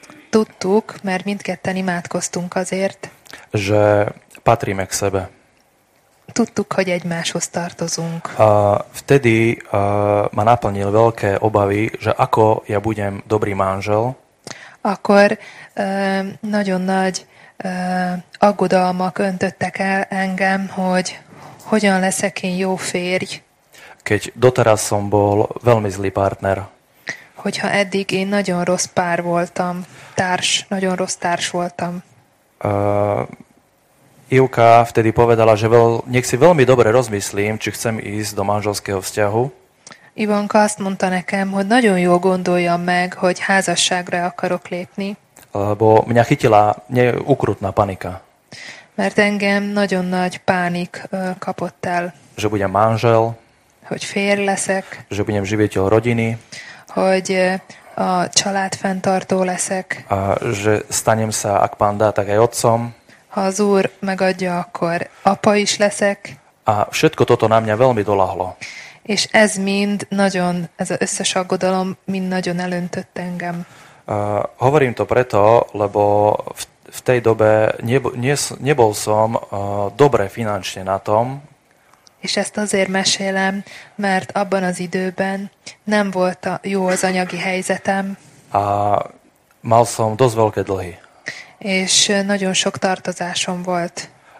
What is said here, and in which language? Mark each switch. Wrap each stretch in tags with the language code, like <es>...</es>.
<hu>Tudtuk, mert mindketten imádkoztunk azért.</hu> <sk>Že patríme k sebe.</sk> <hu>tudtuk, hogy egymáshoz tartozunk.</hu> <sk>Vtedy ma naplnil veľké obavy, že ako ja budem dobrý manžel.</sk> <hu>Akkor nagyon nagy aggodalmak öntöttek el engem, hogy hogyan leszek én jó férj.</hu> <sk>Keď doteraz som bol veľmi zlý partner.</sk> <hu>Hogyha eddig én nagyon rossz pár voltam, társ, nagyon rossz társ voltam.</hu> <sk>Ivka vtedy povedala, že nech si veľmi dobre rozmyslím, či chcem ísť do manželského vzťahu.</sk> <hu>Ivanka azt mondta nekem, hogy nagyon jó gondoljam meg, hogy házasságra akarok lépni.</hu> <sk>Lebo mňa chytila ukrutná panika.</sk> <hu>Mert engem nagyon nagy pánik kapott el.</hu> <sk>Že budem manžel.</sk> <hu>Hogy férj leszek.</hu> <sk>Že budem živiteľ rodiny.</sk> <hu>Hogy a család fenntartó leszek.</hu> <sk>A že stanem sa, ak pán dá, tak aj otcom.</sk> <hu>Ha az úr megadja, akkor apa is leszek.</hu> <sk>A všetko toto na mňa veľmi dolahlo.</sk> <hu>És ez mind nagyon, ez az összes aggodalom mind nagyon elöntött engem.</hu> <sk>Hovorím to preto, lebo v tej dobe nebol som dobre finančne na tom.</sk> <hu>És ezt azért mesélem, mert abban az időben nem volt jó az anyagi helyzetem.</hu> <sk>A mal som dosť veľké dlhy.</sk> <hu>És nagyon sok tartozásom volt.</hu>